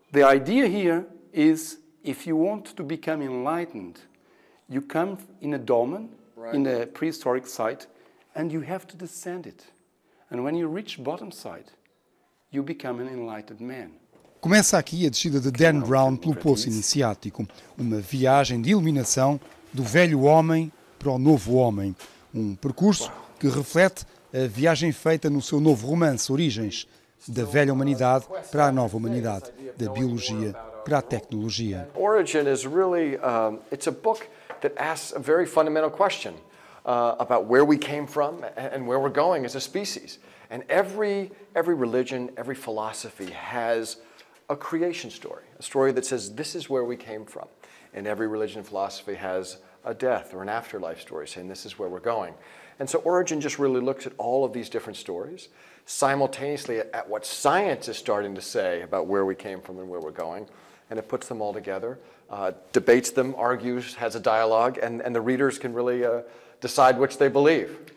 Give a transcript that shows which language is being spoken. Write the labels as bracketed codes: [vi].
[en] The idea here is, if you want to become enlightened, you come in a dolmen, in a prehistoric site, and you have to descend it. And when you reach bottom side, you become an enlightened man. [pt] Começa aqui a descida de Dan Brown pelo poço iniciático, uma viagem de iluminação do velho homem para o novo homem. Um percurso que reflete a viagem feita no seu novo romance, Origens, da velha humanidade para a nova humanidade, da biologia para a tecnologia. Origem é realmente um livro que pergunta uma pergunta fundamental sobre onde viemos e onde vamos como espécie. E toda religião, toda filosofia tem a [en] creation story, a story that says this is where we came from. And every religion and philosophy has a death or an afterlife story saying this is where we're going. And so Origen just really looks at all of these different stories, simultaneously at what science is starting to say about where we came from and where we're going, and it puts them all together, debates them, argues, has a dialogue, and the readers can really decide which they believe.